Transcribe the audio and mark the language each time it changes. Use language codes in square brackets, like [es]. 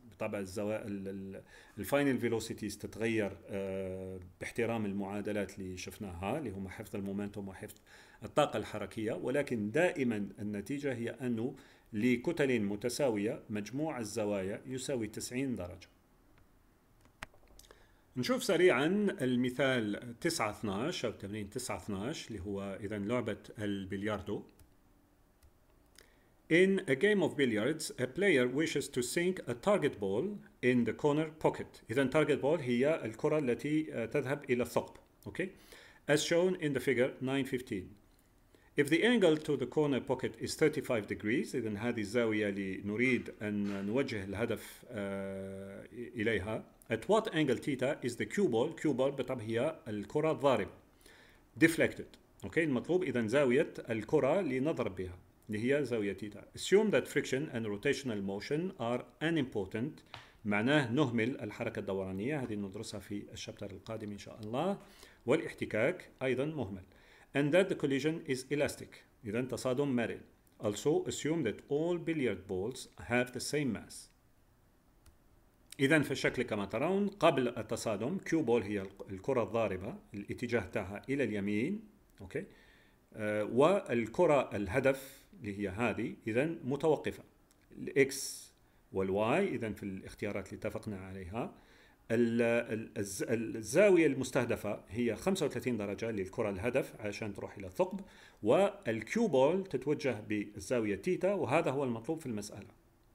[ar] بالطبع الزوايا الفاينل فيلوسيتيز تتغير باحترام المعادلات اللي شفناها اللي هما حفظ المومنتوم وحفظ الطاقة الحركية، ولكن دائما النتيجة هي أنه لكتل متساوية مجموع الزوايا يساوي 90 درجة. نشوف سريعا المثال 9-12 أو تمرين 9-12 اللي هو إذا لعبة البلياردو. [en] In a game of billiards, a player wishes to sink a target ball in the corner pocket. [ar] إذا target ball هي الكرة التي تذهب إلى الثقب. [en] Okay? As shown in the figure 9-15. If the angle to the corner pocket is 35 degrees, [ar] إذا هذه الزاوية اللي نريد أن نوجه الهدف إليها. [en] At what angle theta is the cue ball? [ar] Cue ball بالطبع هي الكرة الضاربة. [en] Deflected. Okay? [ar] المطلوب إذا زاوية الكرة اللي نضرب بها. اللي هي زاوية تيتا. [en] Assume that friction and rotational motion are unimportant. [ar] معناه نهمل الحركة الدورانية، هذه ندرسها في الشابتر القادم إن شاء الله، والاحتكاك أيضا مهمل. [en] And that the collision is elastic. [ar] إذا تصادم مرن. [en] Also assume that all billiard balls have the same mass. [ar] إذا في الشكل كما ترون قبل التصادم كيو بول هي الكرة الضاربة الاتجاه تاعها إلى اليمين، أوكي، والكرة الهدف اللي هي هذه إذا متوقفة الإكس والواي، إذا في الاختيارات اللي اتفقنا عليها الزاوية المستهدفة هي 35 درجة للكرة الهدف عشان تروح إلى الثقب، والكيو بول تتوجه بالزاوية تيتا، وهذا هو المطلوب في المسألة.